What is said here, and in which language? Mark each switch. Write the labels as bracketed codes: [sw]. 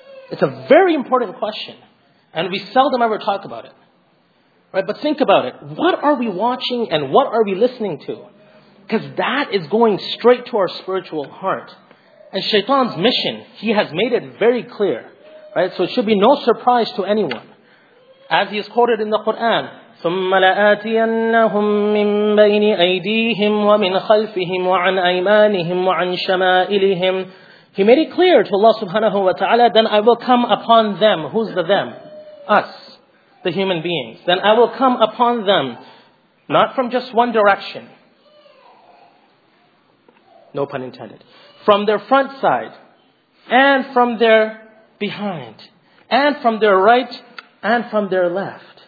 [en] It's a very important question. And we seldom ever talk about it. Right, but think about it. What are we watching and what are we listening to? Because that is going straight to our spiritual heart. And Shaitan's mission, he has made it very clear. Right? So it should be no surprise to anyone. As he is quoted in the Quran, [ar] ثُمَّ لَآتِيَنَّهُمْ مِنْ بَيْنِ أَيْدِيهِمْ وَمِنْ خَلْفِهِمْ وَعَنْ أَيْمَانِهِمْ وَعَنْ شَمَائِلِهِمْ. [en] He made it clear to Allah subhanahu wa ta'ala, then I will come upon them. Who's the them? Us. The human beings. Then I will come upon them, not from just one direction. No pun intended. From their front side, and from their behind, and from their right, and from their left.